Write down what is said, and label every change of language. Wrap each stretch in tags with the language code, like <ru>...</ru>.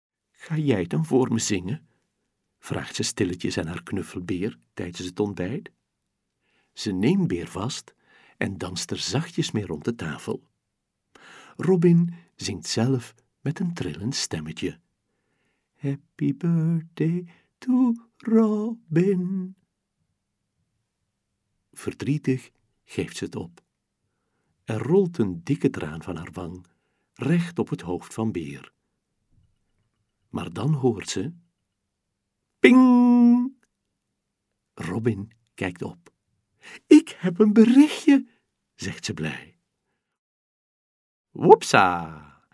<nl>Ga jij dan voor me zingen? Vraagt ze stilletjes aan haar knuffelbeer tijdens het ontbijt. Ze neemt Beer vast en danst er zachtjes mee rond de tafel. Robin zingt zelf met een trillend stemmetje.</nl> <en>Happy birthday to Robin.</en> <nl>Verdrietig geeft ze het op. Er rolt een dikke traan van haar wang recht op het hoofd van Beer. Maar dan hoort ze... Ping! Robin kijkt op. Ik heb een berichtje, zegt ze blij. Woepsa!</nl>